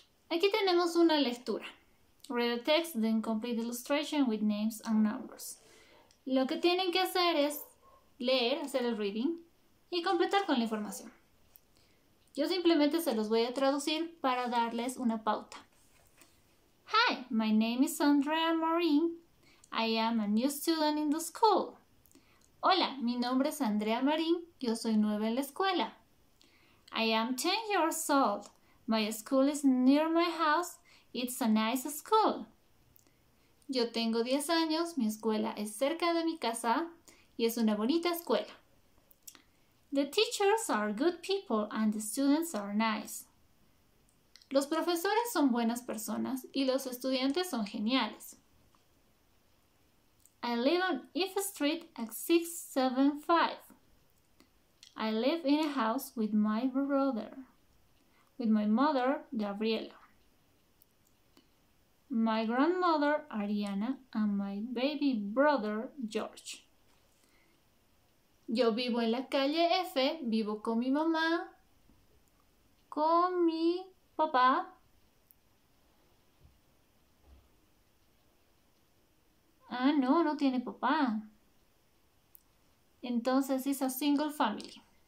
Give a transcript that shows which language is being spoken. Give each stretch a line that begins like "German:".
Spanish: Aquí tenemos una lectura.
English: Read the text, then complete the illustration with names and numbers.
Spanish: Lo que tienen que hacer es leer, hacer el reading y completar con la información. Yo simplemente se los voy a traducir para darles una pauta.
English: Hi, my name is Andrea Maureen. I am a new student in the school.
Spanish: Hola, mi nombre es Andrea Maureen. Yo soy nueva en la escuela.
English: I am 10 years old. My school is near my house. It's a nice school.
Spanish: Yo tengo 10 años. Mi escuela es cerca de mi casa y es una bonita escuela.
English: The teachers are good people and the students are nice.
Spanish: Los profesores son buenas personas y los estudiantes son geniales.
English: I live on If Street at 675. I live in a house with my brother, with my mother, Gabriela. My grandmother, Ariana, and my baby brother, George.
Spanish: Yo vivo en la calle F, vivo con mi mamá, con mi papá. Ah, no, no tiene papá. Entonces es
English: a single family.